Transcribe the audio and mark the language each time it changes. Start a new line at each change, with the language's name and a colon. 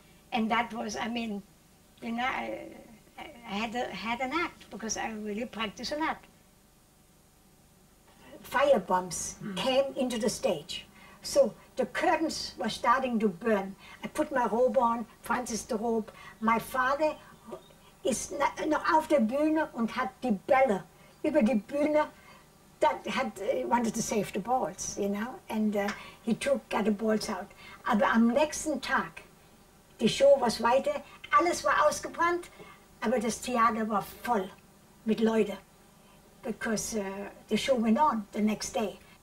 English: And that was, I mean, you know, I had an act because I really practiced a lot. Firebombs came into the stage. So the curtains were starting to burn. I put my robe on, Francis the robe. My father is
German: noch auf der Bühne und hat die Bälle über die Bühne.
English: He wanted to save the balls, you know, and got the balls out.
German: Aber am nächsten Tag, die Show war weiter, alles war ausgebrannt, aber das Theater war voll mit Leuten.
English: Because the show went on the next day.